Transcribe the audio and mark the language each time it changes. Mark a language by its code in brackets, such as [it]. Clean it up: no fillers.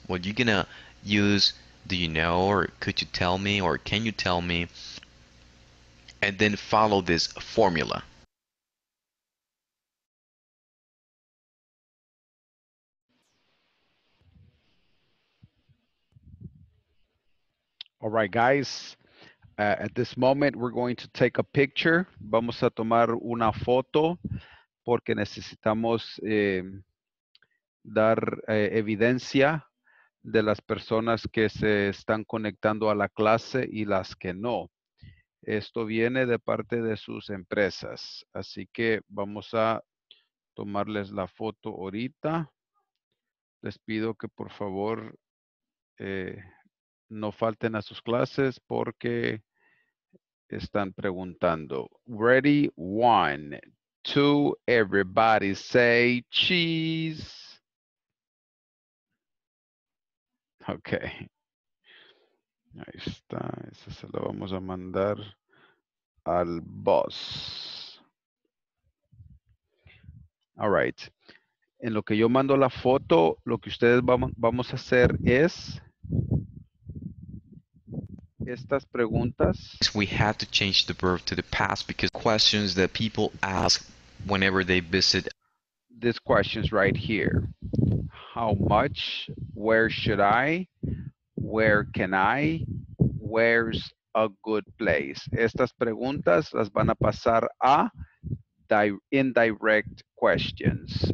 [en] Well, you're going to use do you know, or could you tell me, or can you tell me, and then follow this formula. All right, guys, at this moment, we're going to take a picture. [es] Vamos a tomar una foto porque necesitamos dar evidencia de las personas que se están conectando a la clase y las que no. Esto viene de parte de sus empresas. Así que vamos a tomarles la foto ahorita. Les pido que por favor no falten a sus clases porque están preguntando. [en] Ready? One, two, everybody say cheese. [es] Okay. Ahí está. Esa se la vamos a mandar al boss. [en] All right. [es] En lo que yo mando la foto, lo que ustedes vamos a hacer es estas preguntas. [en] We have to change the verb to the past because questions that people ask whenever they visit. These questions right here. How much? Where should I? Where can I? Where's a good place? [es] Estas preguntas las van a pasar a [en] indirect questions.